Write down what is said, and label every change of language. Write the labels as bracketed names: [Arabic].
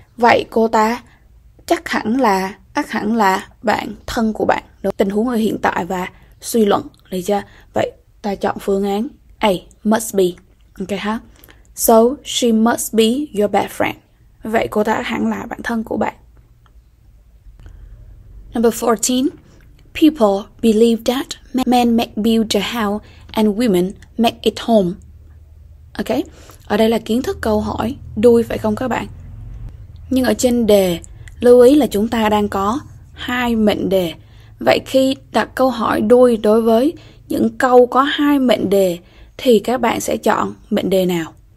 [Vietnamese] Vậy cô ta chắc hẳn là, ác hẳn là bạn thân của bạn, đúng. Tình huống ở hiện tại và suy luận, được chưa? Vậy ta chọn phương án A, must be. Ok ha. [English] So she must be your best friend. [Vietnamese] Vậy cô ta ác hẳn là bạn thân của bạn. [English] Number 14. People believe that men make build the house and women make it home. [Vietnamese] Ok, ở đây là kiến thức câu hỏi đuôi phải không các bạn? Nhưng ở trên đề, lưu ý là chúng ta đang có hai mệnh đề. Vậy khi đặt câu hỏi đuôi đối với những câu có hai mệnh đề thì các bạn sẽ chọn mệnh đề nào?